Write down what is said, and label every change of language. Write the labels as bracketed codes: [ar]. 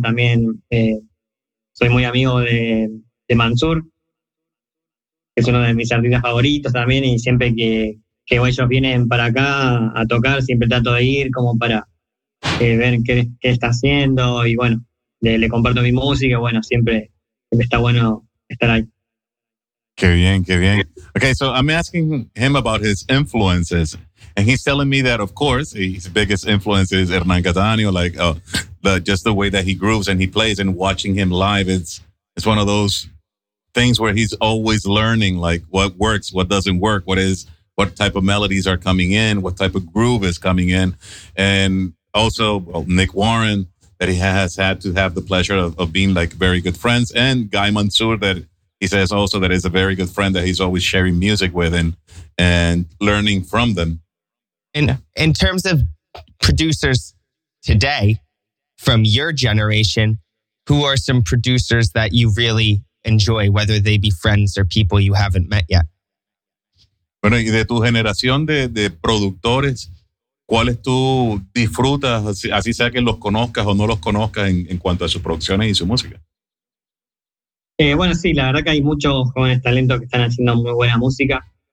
[es] También soy muy amigo de Mansur, que es uno de mis artistas favoritos también, y siempre que ellos vienen para acá a tocar, siempre trato de ir como para ver qué está haciendo, y bueno, le comparto mi música, bueno, siempre está bueno estar ahí. Qué bien, qué bien. [en] Okay, so I'm asking him about his influences, and he's telling me that, of course, his biggest influence is Hernán Cattaneo, like just the way that he grooves and he plays, and watching him live, it's one of those things where he's always learning, like what works, what doesn't work, what type of melodies are coming in, what type of groove is coming in. And also, well, Nick Warren, that he has had to have the pleasure of being like very good friends, and Guy Mansur, that he says also that he's a very good friend that he's always sharing music with and learning from them. In terms of producers today from your generation, who are some producers that you really enjoy, whether they be friends or people you haven't met yet? [es] Bueno, y de tu generación de productores, ¿cuáles tú disfrutas, así sea que los conozcas o no los conozcas, en cuanto a sus producciones y su música? Bueno, sí, la verdad que hay muchos jóvenes talentos que están haciendo muy buena música.